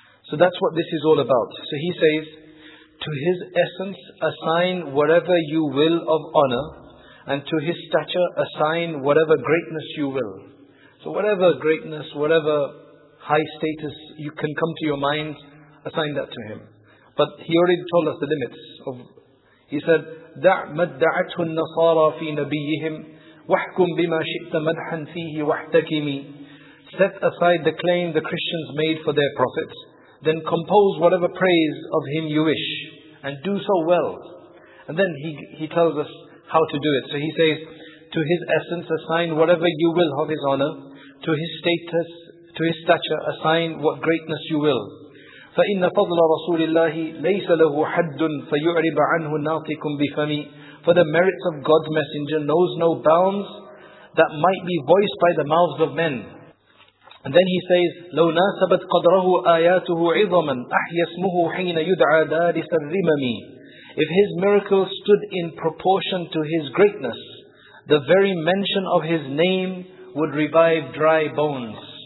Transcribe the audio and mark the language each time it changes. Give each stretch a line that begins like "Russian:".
English: So that's what this is all about. So he says, to his essence assign whatever you will of honor, and to his stature assign whatever greatness you will. So whatever greatness, whatever high status you can come to your mind, assign that to him. But he already told us the limits of. He said,
Arabic: دَعْ مَدَّعَتْهُ النَّصَارَى فِي نَبِيِّهِمْ وَحْكُمْ بِمَا شِئْتَ مَدْحًا فِيهِ وَاحْتَكِمِ.
English: Set aside the claim the Christians made for their prophets, then compose whatever praise of him you wish, and do so well. And then he tells us how to do it. So he says, to his essence assign whatever you will of his honor, to his status, to his stature assign what greatness you will.
Arabic: فَإِنَّ فَضْلَ رَسُولِ اللَّهِ لَيْسَ لَهُ حَدٌّ فَيُعْرِبَ عَنْهُ نَاطِكٌ بِفَمِ.
English: For the merits of God's messenger knows no bounds that might be voiced by the mouths of men. And then he says,
Arabic: لَوْ نَاسَبَتْ قَدْرَهُ آيَاتُهُ عِظَمًا أَحْيَ اسْمُهُ حِينَ يُدْعَى دَارِسَ الرِّمَمِ.
English: If his miracle stood in proportion to his greatness, the very mention of his name would revive dry bones.